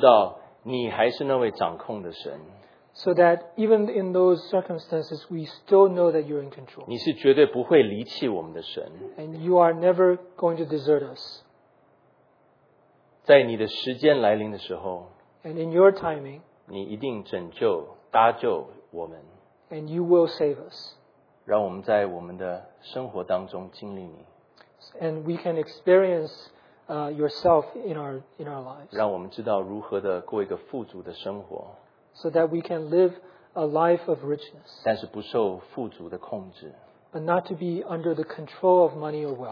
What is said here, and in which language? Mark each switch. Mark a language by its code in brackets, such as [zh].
[zh] 也继续仍然让我们清楚地知道你还是那位掌控的神。 [en] So that even in those circumstances, we still know that you're in control. [zh] 你是绝对不会离弃我们的神。 [en] And you are never going to desert us. [zh] 在你的时间来临的时候, [en] and in your timing, [zh] 你一定拯救搭救我们。 [en] And you will save us. [zh] 让我们在我们的生活当中经历你。 [en] And we can experience yourself in our lives. [zh] 让我们知道如何的过一个富足的生活。 [en] So that we can live a life of richness. [zh] 但是不受富足的控制。 [en] But not to be under the control of money or wealth.